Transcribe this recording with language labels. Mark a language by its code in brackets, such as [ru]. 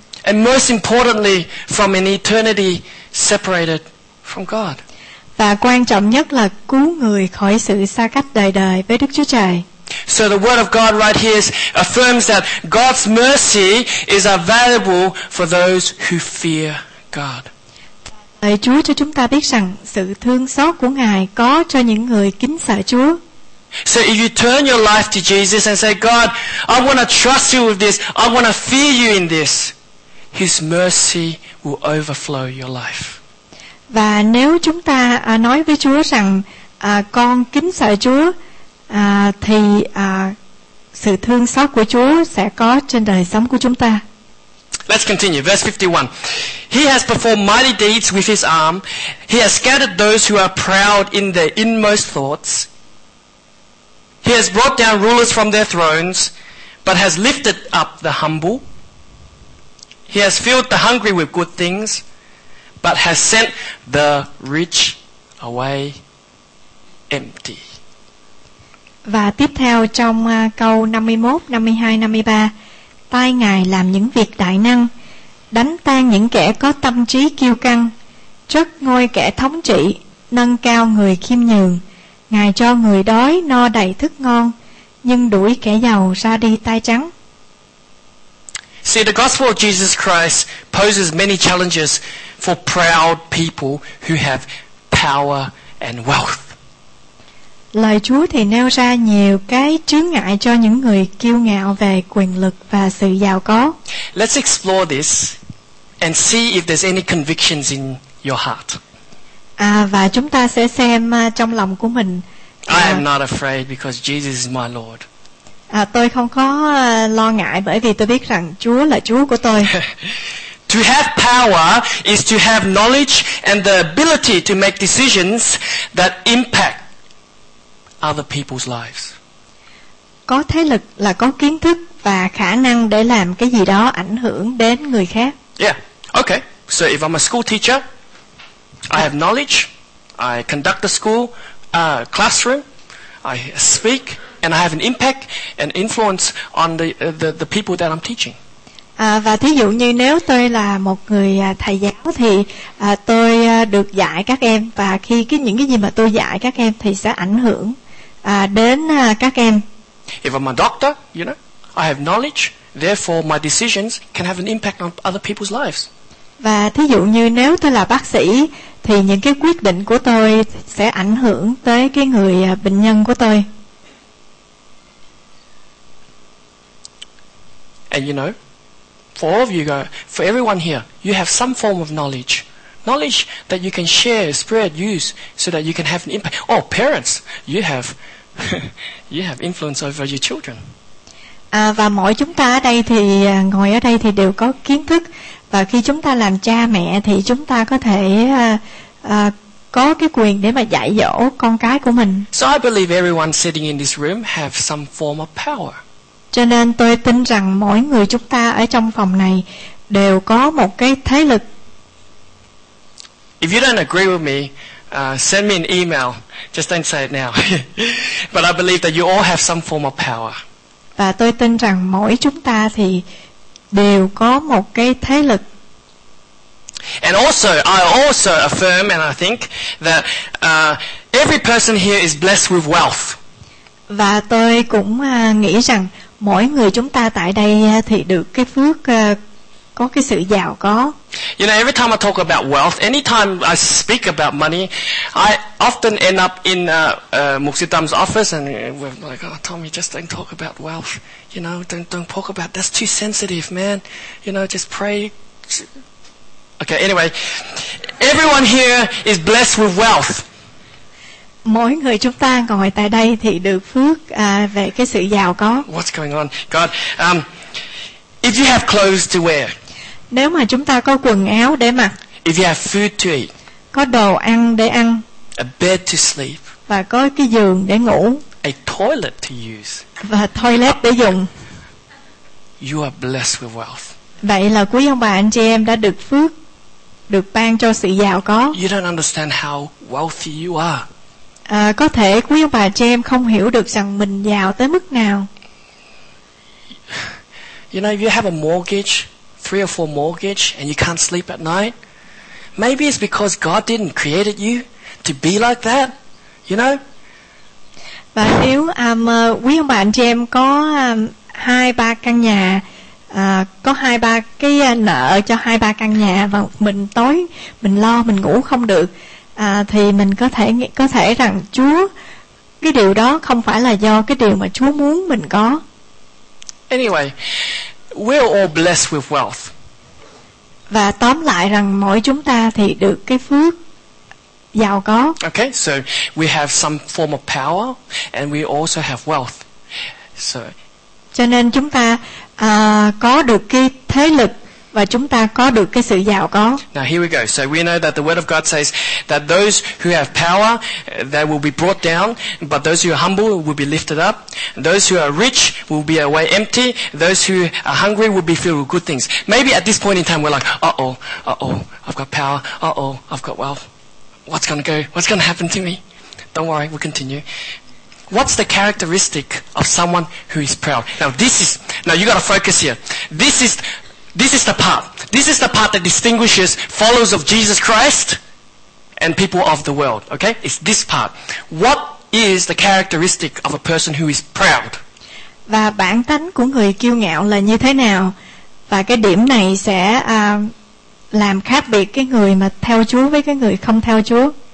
[en] And most importantly, from an eternity separated from God. [vi] Và quan trọng nhất là cứu người khỏi sự xa cách đời đời với Đức Chúa Trời. [en] So the word of God right here affirms that God's mercy is available for those who fear God. [vi] Lời Chúa cho chúng ta biết rằng sự thương xót của Ngài có cho những người kính sợ Chúa. [en] So if you turn your life to Jesus and say, God, I want to trust you with this, I want to fear you in this, His mercy will overflow your life. [vi] Và nếu chúng ta nói với Chúa rằng con kính sợ Chúa thì sự thương xót của Chúa sẽ có trên đời sống của chúng ta. [en] Let's continue. Verse 51. He has performed mighty deeds with his arm. He has scattered those who are proud in their inmost thoughts. He has brought down rulers from their thrones, but has lifted up the humble. He has filled the hungry with good things, but has sent the rich away empty. [vi] Và tiếp theo trong câu 51, 52, 53, tay Ngài làm những việc đại năng, đánh tan những kẻ có tâm trí kiêu căng, trước ngôi kẻ thống trị, nâng cao người khiêm nhường. Ngài cho người đói no đầy thức ngon, nhưng đuổi kẻ giàu ra đi tay trắng. [en] See, the gospel of Jesus Christ poses many challenges for proud people who have power and wealth. [vi] Lời Chúa thì nêu ra nhiều cái chướng ngại cho những người kiêu ngạo về quyền lực và sự giàu có. [en] Let's explore this and see if there's any convictions in your heart. [vi] Và chúng ta sẽ xem trong lòng của mình. [en] I am not afraid because Jesus is my Lord. [vi] tôi không có lo ngại bởi vì tôi biết rằng Chúa là Chúa của tôi. [en] To have power is to have knowledge and the ability to make decisions that impact other people's lives. [vi] Có thế lực là có kiến thức và khả năng để làm cái gì đó ảnh hưởng đến người khác. [en] Yeah. Okay. So if I'm a school teacher, I have knowledge, I conduct the school classroom, I speak and I have an impact and influence on the people that I'm teaching. [vi] Và thí dụ như nếu tôi là một người thầy giáo thì tôi được dạy các em, và khi những cái gì mà tôi dạy các em thì sẽ ảnh hưởng đến các em. [en] If I'm a doctor, you know, I have knowledge, therefore my decisions can have an impact on other people's lives. [vi] Và thí dụ như nếu tôi là bác sĩ thì những cái quyết định của tôi sẽ ảnh hưởng tới cái người bệnh nhân của tôi. [en] And you know, for all of you, for everyone here, you have some form of knowledge. Knowledge that you can share, spread, use, so that you can have an impact. Oh, parents, you have influence over your children. [vi] Và mỗi chúng ta ở đây thì, ngồi ở đây thì đều có kiến thức. Và khi chúng ta làm cha mẹ thì chúng ta có thể có cái quyền để mà dạy dỗ con cái của mình. [en] So I believe everyone sitting in this room have some form of power. [vi] Cho nên tôi tin rằng mỗi người chúng ta ở trong phòng này đều có một cái thế lực. [en] If you don't agree with me, send me an email. Just don't say it now. But I believe that you all have some form of power. [vi] Và tôi tin rằng mỗi chúng ta thì đều có một cái thế lực. [en] And also, I also affirm and I think that every person here is blessed with wealth. [vi] Và tôi cũng nghĩ rằng mỗi người chúng ta tại đây thì được cái phước có cái sự giàu có. [en] You know, every time I talk about wealth, anytime I speak about money, I often end up in Muksitam's office and we're like, oh, Tommy, just don't talk about wealth. You know, don't talk about that. That's too sensitive, man. You know, just pray. Okay, anyway, everyone here is blessed with wealth. [vi] Mỗi người chúng ta ngồi tại đây thì được phước về cái sự giàu có. [en] What's going on, God? If you have clothes to wear, [vi] nếu mà chúng ta có quần áo để mặc, [en] if you have food to eat, [vi] có đồ ăn để ăn, [en] a bed to sleep, [vi] và có cái giường để ngủ, [en] a toilet to use, [vi] và toilet để dùng, [en] you are blessed with wealth. [vi] Vậy là quý ông bà anh chị em đã được phước, được ban cho sự giàu có. [en] You don't understand how wealthy you are. [vi] Có thể quý ông bà chị em không hiểu được rằng mình giàu tới mức nào. [en] You know, if you have a mortgage, 3 or 4 mortgage, and you can't sleep at night, maybe it's because God didn't create you to be like that. You know? [vi] Và nếu quý ông bà chị em có 2-3 căn nhà, có 2-3 cái nợ cho 2-3 căn nhà, và mình tối mình lo mình ngủ không được, thì mình có thể rằng Chúa, cái điều đó không phải là do cái điều mà Chúa muốn mình có. [en] Anyway, we're all blessed with wealth. [vi] Và tóm lại rằng mỗi chúng ta thì được cái phước giàu có. [en] Okay, so we have some form of power and we also have wealth. So [vi] cho nên chúng ta có được cái thế lực và chúng ta có được cái sự giàu có. [en] Now here we go. So we know that the word of God says that those who have power, they will be brought down, but those who are humble will be lifted up. Those who are rich will be away empty. Those who are hungry will be filled with good things. Maybe at this point in time we're like, uh-oh, I've got power. Uh-oh, I've got wealth. What's going to happen to me? Don't worry, we'll continue. What's the characteristic of someone who is proud? Now you got to focus here. This is the part. This is the part that distinguishes followers of Jesus Christ and people of the world. Okay? It's this part. What is the characteristic of a person who is proud? [vi] Và bản tánh của người kiêu ngạo là như thế nào? Và cái điểm này sẽ làm khác biệt cái người mà theo Chúa với cái người không theo Chúa.